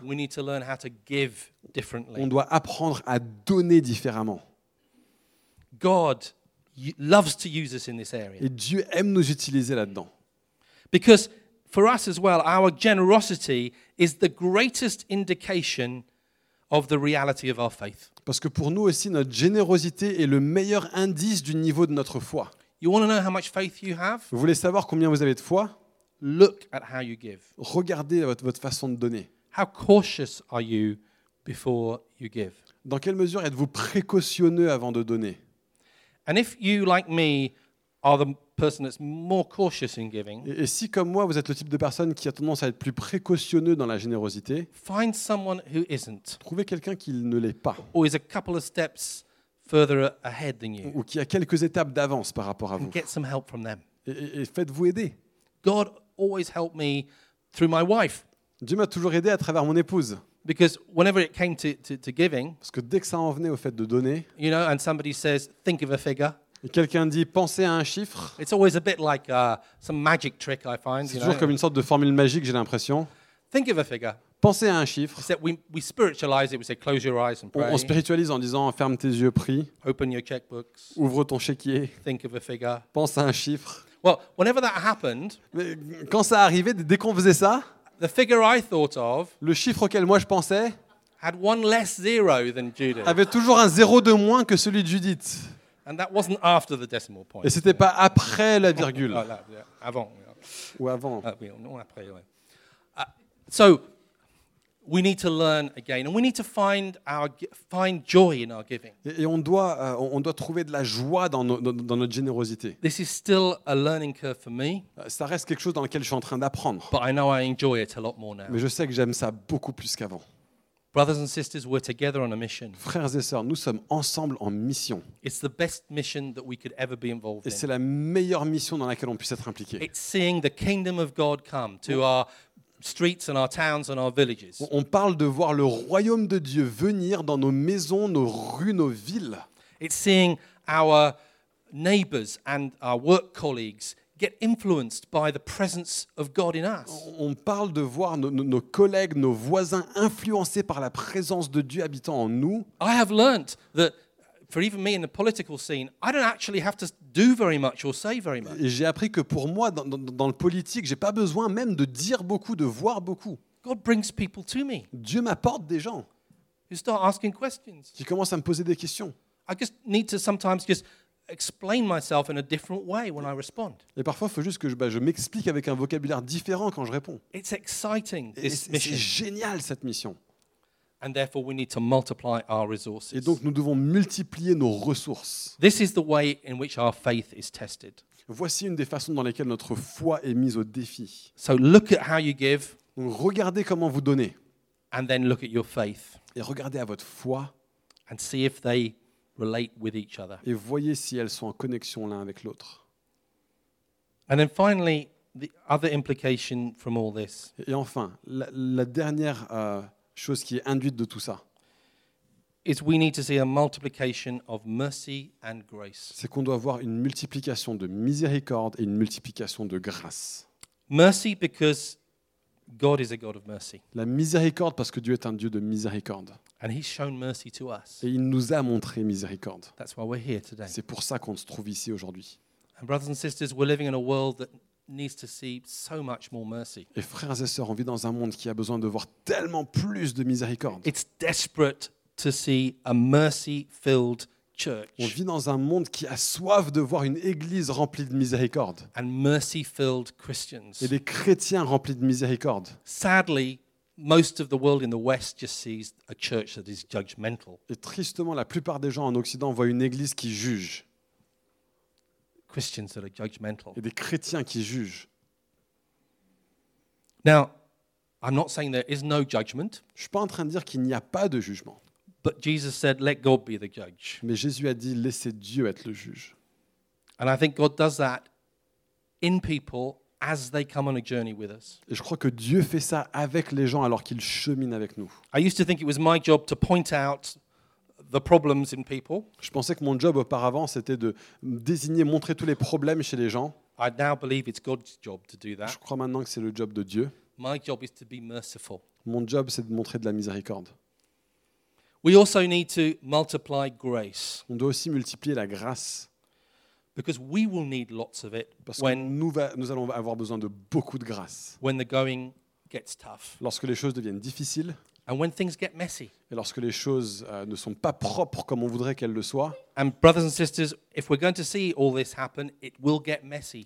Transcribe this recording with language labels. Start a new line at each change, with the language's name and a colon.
English: We need to learn how to give differently.
French: On doit apprendre à donner différemment.
English: God loves to use us in this area.
French: Et Dieu aime nous utiliser là-dedans.
English: Because for us as well, our generosity is the greatest indication of the reality of our faith.
French: Parce que pour nous aussi, notre générosité est le meilleur indice du niveau de notre foi.
English: You want to know how much faith you have?
French: Vous voulez savoir combien vous avez de foi?
English: Look at how you give.
French: Regardez votre façon de donner.
English: How cautious are you before you give?
French: Dans quelle mesure êtes-vous précautionneux avant de donner?
English: And if you, like me, are the person that's more cautious in giving,
French: et si comme moi vous êtes le type de personne qui a tendance à être plus précautionneux dans la générosité,
English: find someone who isn't.
French: Trouvez quelqu'un qui ne l'est pas.
English: Or is a couple of steps further ahead than you.
French: Ou qui a quelques étapes d'avance par rapport à vous.
English: Get some help from them.
French: Et faites-vous aider.
English: God always helped me through my wife.
French: Dieu m'a toujours aidé à travers mon épouse.
English: Because whenever it came to giving,
French: parce que dès que ça en venait au fait de donner,
English: you know, and somebody says, think of a figure.
French: Et quelqu'un dit, pensez à un chiffre.
English: It's always a bit like some magic trick, I find.
French: C'est toujours comme une sorte de formule magique, j'ai l'impression.
English: Think of a figure.
French: Pensez à un chiffre.
English: Except we spiritualize it. We say, close your eyes and pray.
French: On spiritualise en disant, ferme tes yeux, prie.
English: Open your checkbooks.
French: Ouvre ton chéquier.
English: Think of a figure.
French: Pense à un chiffre.
English: Well, whenever that happened,
French: mais quand ça arrivait, dès qu'on faisait ça,
English: the figure I thought of,
French: le chiffre auquel moi je pensais,
English: had one less zero than Judith.
French: Avait toujours un zéro de moins que celui de Judith.
English: And that wasn't after the decimal point.
French: Et c'était pas après la virgule. Avant. Ou avant. Non, après, ouais.
English: So we need to learn again, and we need to find joy in our giving.
French: Et on doit trouver de la joie dans notre générosité.
English: This is still a learning curve for me.
French: Ça reste quelque chose dans lequel je suis en train d'apprendre.
English: But I know I enjoy it a lot more now.
French: Mais je sais que j'aime ça beaucoup plus qu'avant.
English: Brothers and sisters, we're together on a mission.
French: Frères et sœurs, nous sommes ensemble en mission.
English: It's the best mission that we could ever be involved in.
French: Et c'est la meilleure mission dans laquelle on puisse être impliqué.
English: It's seeing the kingdom of God come to our streets and our towns and our villages.
French: On parle de voir le royaume de Dieu venir dans nos maisons, nos rues, nos villes.
English: It's seeing our neighbors and our work colleagues get influenced by the presence of God in us.
French: On parle de voir nos collègues, nos voisins influencés par la présence de Dieu habitant en nous.
English: I have learned that for even me in the political scene, I don't actually have to do very much or say very much.
French: J'ai appris que pour moi dans le politique, j'ai pas besoin même de dire beaucoup, de voir beaucoup.
English: God brings people to me.
French: Dieu m'apporte des gens.
English: You start asking questions.
French: Qui commencent à me poser des questions.
English: I just need to sometimes just explain myself in a different way when I respond.
French: Et parfois, il faut juste que je m'explique avec un vocabulaire différent quand je réponds.
English: It's exciting, this mission.
French: C'est génial, cette mission.
English: And therefore, we need to multiply our resources.
French: Et donc, nous devons multiplier nos ressources.
English: This is the way in which our faith is tested.
French: Voici une des façons dans lesquelles notre foi est mise au défi.
English: So look at how you give.
French: Donc, regardez comment vous donnez.
English: And then look at your faith.
French: Et regardez à votre foi.
English: And see if they relate with each other.
French: Et voyez si elles sont en connexion l'un avec l'autre.
English: And then finally, the other implication from all this.
French: Et enfin, la dernière chose qui est induite de tout ça.
English: Is we need to see a multiplication of mercy and grace.
French: C'est qu'on doit voir une multiplication de miséricorde et une multiplication de grâce.
English: Mercy because God is a God of mercy.
French: La miséricorde parce que Dieu est un Dieu de miséricorde.
English: And he's shown mercy to us.
French: Et il nous a montré miséricorde.
English: That's why we're here today.
French: C'est pour ça qu'on se trouve ici aujourd'hui.
English: And brothers and sisters, we're living in a world that needs to see so much more mercy.
French: Et frères et sœurs, on vit dans un monde qui a besoin de voir tellement plus de miséricorde.
English: It's desperate to see a mercy-filled church.
French: On vit dans un monde qui a soif de voir une église remplie de miséricorde.
English: And mercy-filled Christians.
French: Et des chrétiens remplis de miséricorde.
English: Sadly, most of the world in the West just sees a church that is judgmental.
French: Et tristement, la plupart des gens en Occident voient une église qui juge.
English: Christians that are judgmental.
French: Et des chrétiens qui jugent.
English: Now, I'm not saying there is no judgment.
French: Je suis pas en train de dire qu'il n'y a pas de jugement.
English: But Jesus said, "Let God be the judge."
French: Mais Jésus a dit, laissez Dieu être le juge.
English: And I think God does that in people as they come on a journey with us.
French: Et je crois que Dieu fait ça avec les gens alors qu'ils cheminent avec nous.
English: I used to think it was my job to point out the problems in people.
French: Je pensais que mon job auparavant c'était de désigner, montrer tous les problèmes chez les gens.
English: I now believe it's God's job to do that.
French: Je crois maintenant que c'est le job de Dieu.
English: My job is to be merciful.
French: Mon job c'est de montrer de la miséricorde.
English: We also need to multiply grace.
French: On doit aussi multiplier la grâce.
English: Because we will need lots of it
French: parce que nous allons avoir besoin de beaucoup de grâce.
English: When the going gets tough.
French: Lorsque les choses deviennent difficiles.
English: And when things get messy.
French: Et lorsque les choses ne sont pas propres comme on voudrait qu'elles le soient.
English: And brothers and sisters, if we're going to see all this happen, it will get messy.